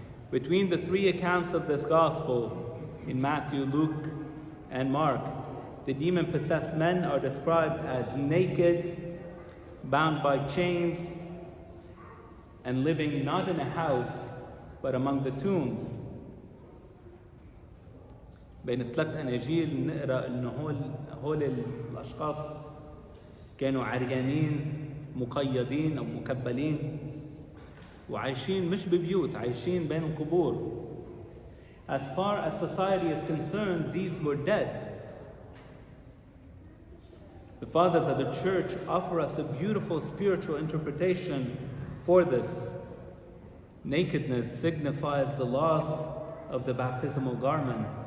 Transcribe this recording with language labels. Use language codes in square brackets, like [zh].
[en] Between the three accounts of this gospel, in Matthew, Luke, and Mark, the demon-possessed men are described as naked, bound by chains, and living not in a house, but among the tombs. [ar] بين الثلاث أناجيل نقرأ إنه هول الأشخاص كانوا عريانين مقيدين أو مكبلين وعايشين مش ببيوت عايشين بين القبور. [en] As far as society is concerned, these were dead. The fathers of the church offer us a beautiful spiritual interpretation for this. Nakedness signifies the loss of the baptismal garment.